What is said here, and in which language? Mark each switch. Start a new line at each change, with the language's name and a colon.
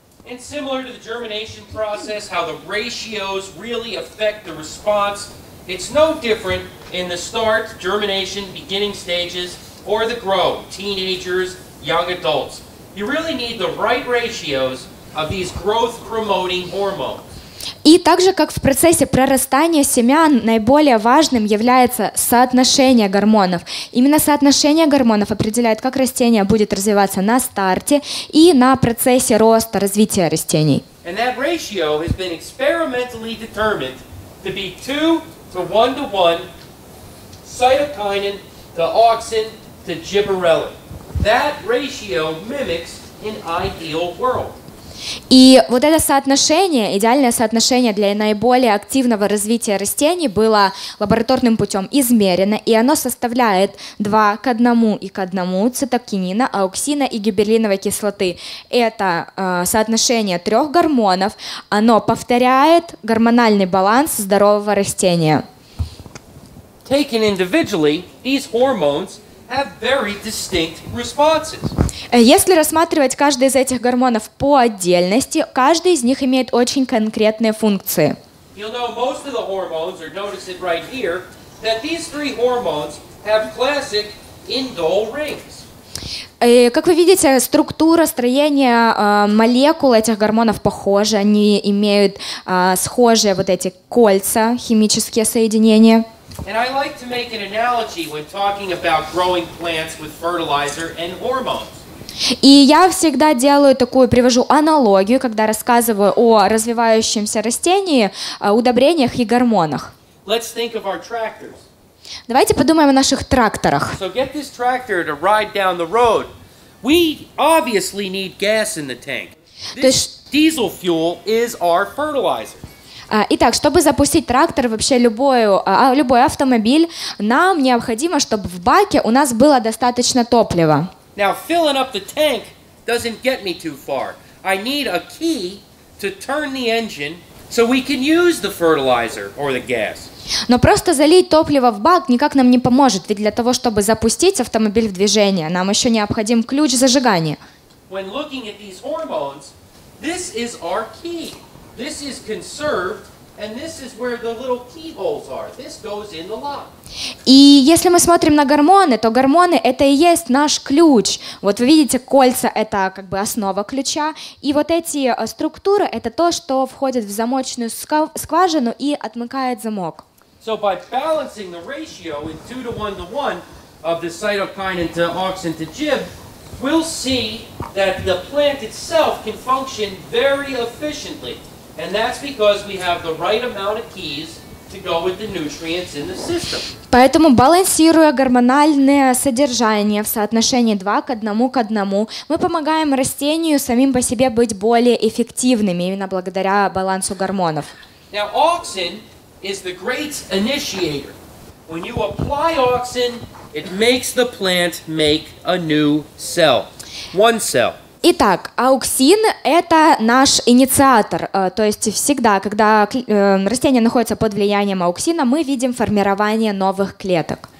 English: And similar to the germination process, how the ratios really affect the response, it's no different in the start, germination, beginning stages, or the grow, teenagers, young adults. You really need the right ratios of these growth-promoting hormones.
Russian: И также, как в процессе прорастания семян, наиболее важным является соотношение гормонов. Именно соотношение гормонов определяет, как растение будет развиваться на старте и на процессе роста, развития растений.
English: And that ratio has been experimentally determined to be 2:1:1 cytokinin to auxin to gibberellin. That ratio mimics an ideal world.
Russian: И вот это соотношение, идеальное соотношение для наиболее активного развития растений было лабораторным путем измерено, и оно составляет 2:1 цитокинина, ауксина и гибберлиновой кислоты. Это соотношение трех гормонов, оно повторяет гормональный баланс здорового растения.
English: Taken individually, these hormones have very distinct responses.
Russian: Если рассматривать каждый из этих гормонов по отдельности, каждый из них имеет очень конкретные функции.
English: You'll know most of the hormones are noticed right here that these three hormones have classic indole rings.
Russian: Как вы видите, структура, строение молекул этих гормонов похожи, они имеют схожие вот эти кольца, химические соединения.
English: And I like to make an analogy when talking about growing plants with fertilizer and hormones.
Russian: И я всегда делаю такую, привожу аналогию, когда рассказываю о развивающемся растении, удобрениях и гормонах.
English: Let's think of our tractors.
Russian: Давайте подумаем о наших тракторах.
English: So get this tractor to ride down the road. We obviously need gas in the tank. This diesel fuel is our fertilizer.
Russian: Итак, чтобы запустить трактор, вообще любой автомобиль, нам необходимо, чтобы в баке у нас было достаточно топлива.
English: Now, filling up the tank doesn't get me too far. I need a key to turn the engine so we can use the fertilizer or the gas.
Russian: Но просто залить топливо в бак никак нам не поможет, ведь для того, чтобы запустить автомобиль в движение, нам еще необходим ключ зажигания.
English: When looking at these hormones, this is our key. This is conserved, and this is where the little keyholes are. This goes in the lock.
Russian: И если мы смотрим на гормоны, то гормоны — это и есть наш ключ. Вот вы видите, кольца — это как бы основа ключа. И вот эти структуры — это то, что входит в замочную скважину и отмыкает замок.
English: So by balancing the ratio in 2:1:1 of the cytokine into auxin to GIB, we'll see that the plant itself can function very efficiently. And that's because we have the right amount of keys to go with the nutrients in the system.
Russian: Поэтому, балансируя гормональное содержание в соотношении 2:1:1, мы помогаем растению самим по себе быть более эффективными именно благодаря балансу гормонов.
English: Now, auxin is the great initiator. When you apply auxin, it makes the plant make a new cell, one cell.
Russian: Итак, ауксин – это наш инициатор. То есть всегда, когда растение находится под влиянием ауксина, мы видим формирование новых клеток.